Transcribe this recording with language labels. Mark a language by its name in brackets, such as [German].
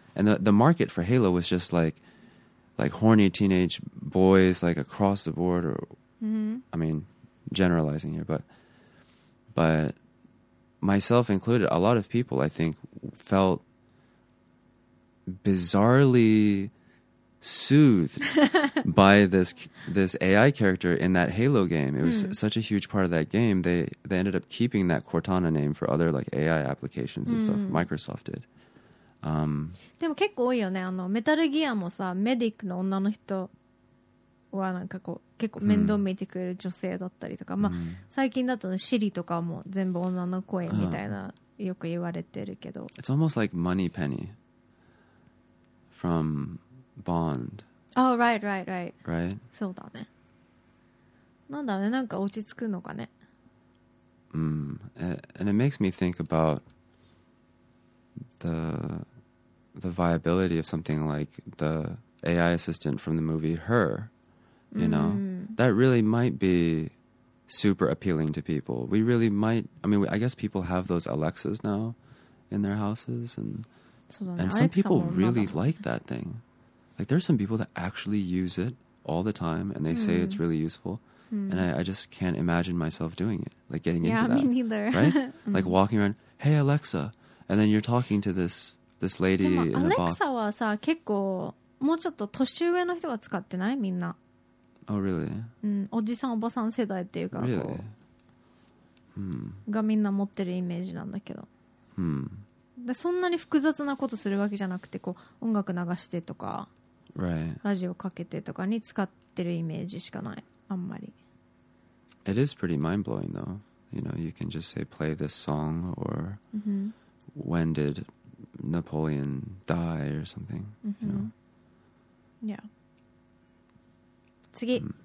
[English] And the market for Halo was just like horny teenage boys, like across the board, or I mean, generalizing here, but myself included, a lot of people, I think, felt bizarrely soothed by this AI character in that Halo game. It was such a huge part of that game. They ended up keeping that Cortana name for other like AI applications and stuff. Microsoft did. [Japanese] でも結構多いよね。あのメタルギアもさ、メディックの女の人はなんかこう結構面倒見てくれる女性だったりとか、まあ最近だとシリとかも全部女の声みたいな、よく言われてるけど。 [English] It's almost like Money Penny from Bond. Oh, right, right, right. Right. [Japanese] そうだね。なんだね、なんか落ち着くのかね。 [English] And it makes me think about the viability of something like the AI assistant from the movie Her. You know, that really might be super appealing to people. We really might. I mean, I guess people have those Alexas now in their houses, and some people really like that thing. Like, there are some people that actually use it all the time, and they say it's really useful. And I just can't imagine myself doing it, like getting into that. Yeah, me neither. Right? Like walking around, hey Alexa, and then you're talking to this lady in the box. [Japanese] Alexa はさ、結構もうちょっと年上の人が使ってない？みんな。 [English] Oh, really? [Japanese] うん、おじさんおばさん世代っていうか、 [English] really? [Japanese] こう、がみんな持ってるイメージなんだけど、でそんなに複雑なことするわけじゃなくて、こう音楽流してとか、 [English] right. [Japanese] ラジオかけてとかに使ってるイメージしかない、あんまり。 [English] It is pretty mind-blowing though. You know, you can just say play this song or when did Napoleon die or something, you know? [Japanese] Yeah. 次。